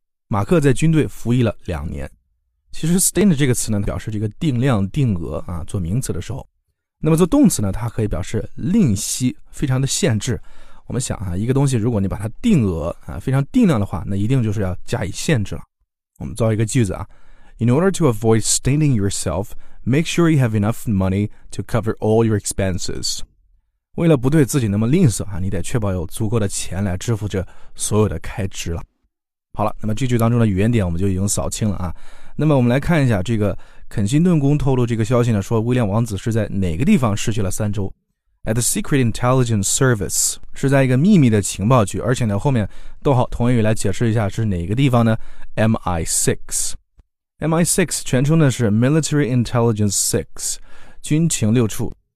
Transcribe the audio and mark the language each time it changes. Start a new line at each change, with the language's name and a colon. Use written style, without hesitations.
Chinese: 马克在军队服役了两年。其实 stint 这个词呢，表示这个定量、定额啊，做名词的时候。那么做动词呢，它可以表示吝惜，非常的限制。我们想啊，一个东西如果你把它定额啊，非常定量的话，那一定就是要加以限制了。我们造一个句子啊
English: ，In order to avoid stinting yourself, make sure you have enough money to cover all your expenses。
Chinese: 为了不对自己那么吝啬啊，你得确保有足够的钱来支付这所有的开支了。好了，那么这句当中的语言点我们就已经扫清了啊。那么我们来看一下这个肯辛顿宫透露这个消息呢，说威廉王子是在哪个地方失去了三周 ？
English: At the Secret Intelligence Service，
Chinese: 是在一个秘密的情报局，而且呢后面逗号同义语来解释一下是哪个地方呢 ？MI6， MI6 全称呢是 Military Intelligence Six， 军情六处。